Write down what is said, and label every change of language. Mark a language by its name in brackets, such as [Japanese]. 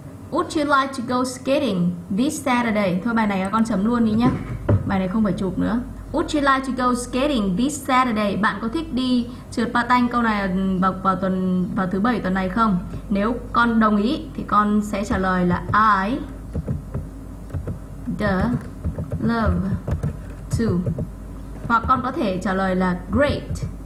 [English] Would you like to go skating this Saturday? [Vietnamese] Thôi bài này con chấm luôn đi nhé, bài này không phải chụp nữa. [English] Would you like to go skating this Saturday? [Vietnamese] Bạn có thích đi trượt patin câu này vào thứ bảy tuần này không? Nếu con đồng ý thì con sẽ trả lời là [English] I the love to, [Vietnamese] hoặc con có thể trả lời là great.